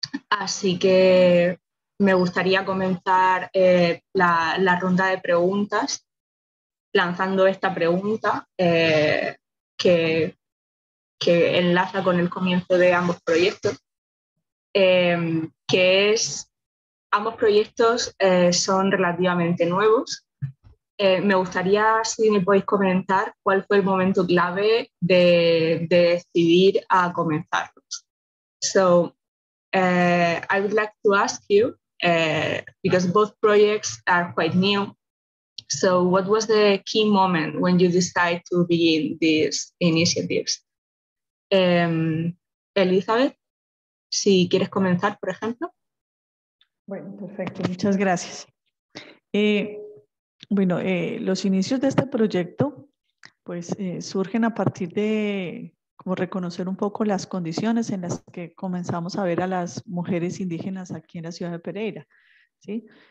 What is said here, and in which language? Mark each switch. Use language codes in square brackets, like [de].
[es] Así que me gustaría comenzar la ronda de preguntas lanzando esta pregunta que enlaza con el comienzo de ambos proyectos, que es, ambos proyectos son relativamente nuevos. Me gustaría, si me podéis comentar, cuál fue el momento clave de decidir a comenzarlos. [en] So, I would like to ask you, because both projects are quite new, so what was the key moment when you decided to begin these initiatives? [es] Elizabeth, si quieres comenzar, por ejemplo. Bueno, perfecto, muchas gracias. Bueno, los inicios de este proyecto pues surgen a partir de como reconocer un poco las condiciones en las que comenzamos a ver a las mujeres indígenas aquí en la ciudad de Pereira, ¿sí?